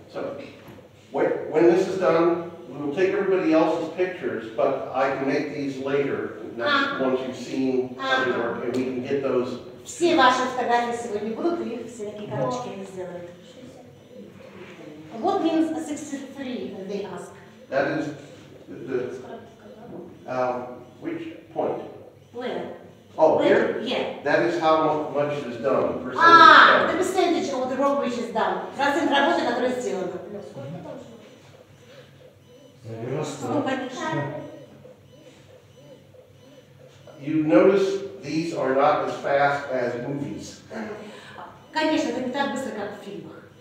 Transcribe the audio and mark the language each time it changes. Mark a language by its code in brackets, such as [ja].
[en] So, when this is done, we will take everybody else's pictures, but I can make these later. Once you've seen how they work, and we can get those. [ru] Все ваши фотографии сегодня будут, и их все такие карточки они сделают. [en] What means 63, they ask? That is the which point? Where? Oh, then, here? Yeah. That is how much is done. The percentage of the work which is done. [ru] Процент работы, которая сделана. [en] You notice these are not as fast as movies. [ru] Конечно, это не так быстро, как в фильмах.